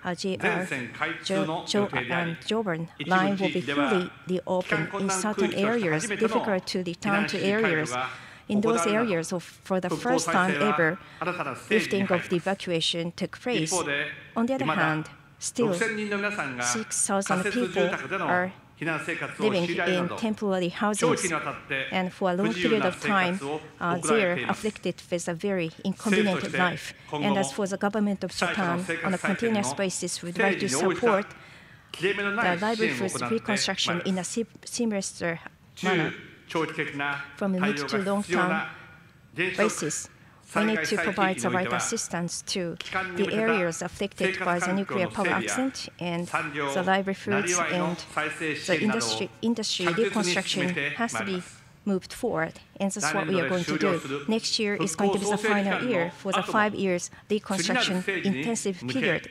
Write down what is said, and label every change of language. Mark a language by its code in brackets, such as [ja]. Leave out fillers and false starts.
[en] JR Jōban line will be fully reopened in certain areas, difficult to return to areas. In those areas, for the first time ever, lifting of the evacuation took place. On the other hand, still 6,000 people are [ja] 避難生活を強いられるなど [en] temporary houses, [ja] 長期にわたって [en] and for a long period of time, [ja] 不自由な生活を送られています [en] afflicted with a very inconvenient life. [ja] 今後も [en] and as for the government of Japan, on a continuous basis, we'd like to support the livelihoods reconstruction in a seamless manner [ja] 中長期的な対応が必要な原 [en] 則 basis. We need to provide the right assistance to the areas affected by the nuclear power accident and the livelihoods and the industry reconstruction has to be moved forward. And that's what we are going to do. Next year is going to be the final year for the 5 year reconstruction intensive period.